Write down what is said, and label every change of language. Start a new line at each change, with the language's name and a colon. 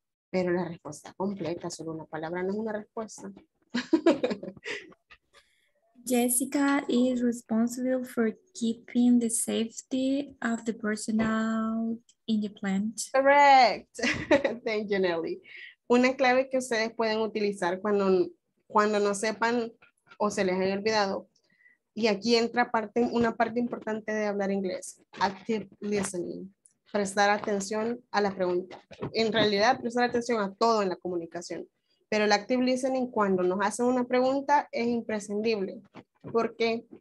Spanish: Pero la respuesta completa, solo una palabra, no es una respuesta.
English: Jessica is responsible for keeping the safety of the personnel in the plant. Correct. Thank you, Nelly.
Spanish: Una clave que ustedes pueden utilizar cuando no sepan o se les haya olvidado. Y aquí entra una parte importante de hablar inglés.
English: Active listening.
Spanish: Prestar atención a la pregunta. En realidad, prestar atención a todo en la comunicación. Pero el active listening, cuando nos hacen una pregunta, es imprescindible. ¿Por qué?